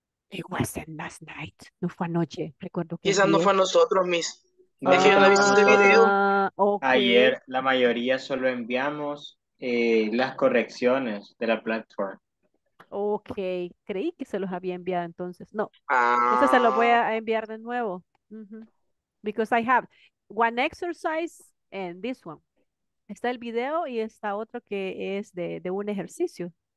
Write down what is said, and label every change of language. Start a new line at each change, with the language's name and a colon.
English: It wasn't last night.
Spanish: No fue anoche. Recuerdo que quizás no fue a nosotros, miss. Es que yo no he visto este video.
English: Okay.
Spanish: Ayer la mayoría solo enviamos las correcciones de la plataforma. Ok, creí que se los había enviado entonces. No, entonces se los voy a enviar de nuevo. Mm-hmm.
English: Because I have one exercise and this one.
Spanish: Está el video y está otro que es de un ejercicio.